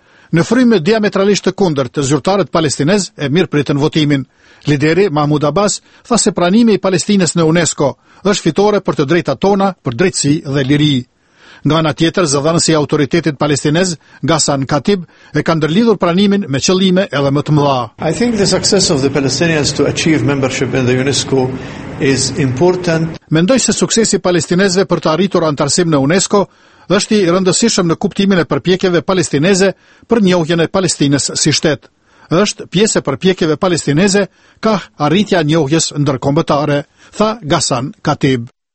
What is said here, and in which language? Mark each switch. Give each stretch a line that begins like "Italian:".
Albanian: Në frymë diametralisht të kundërt të zyrtarët palestinez e mirëpritën votimin. Lideri Mahmud Abbas tha se pranimi i Palestinës në UNESCO është fitore për të drejtat tona, për drejtësi dhe liri. Nga ana tjetër, zëdhënësi i autoritetit palestinez, Ghassan Katib, e ka ndërlidhur pranimin me qëllime edhe më të mëdha.
English: I think the success of the Palestinians to achieve membership in the UNESCO is important.
Albanian: Mendoj se suksesi palestinezve për të arritur antarësim në UNESCO është i rëndësishëm në kuptimin e përpjekjeve palestineze për njohjen e Palestinës si shtet. Është pjesë e përpjekjeve palestineze ka arritja njohjes ndërkombëtare, tha Ghassan Katib.